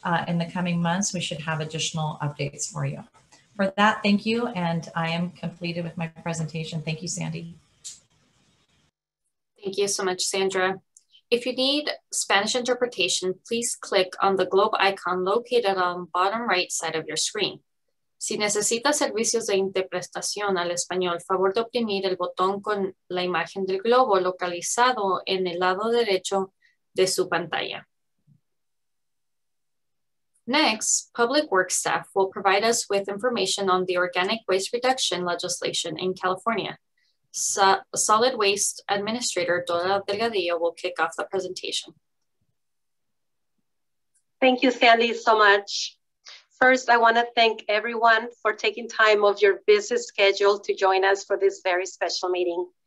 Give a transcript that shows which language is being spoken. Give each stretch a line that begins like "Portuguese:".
English: In the coming months, we should have additional updates for you. For that, thank you. And I am completed with my presentation. Thank you, Sandy. Thank you so much, Sandra. If you need Spanish interpretation, please click on the globe icon located on the bottom right side of your screen.
Spanish: Si necesitas servicios de interpretación al español, favor de oprimir el botón con la imagen del globo localizado en el lado derecho de su pantalla.
English: Next, Public Works staff will provide us with information on the organic waste reduction legislation in California. Solid Waste Administrator Dora Delgadillo will kick off the presentation. Thank you, Sandy, so much. First, I want to thank everyone for taking time of your busy schedule to join us for this very special meeting.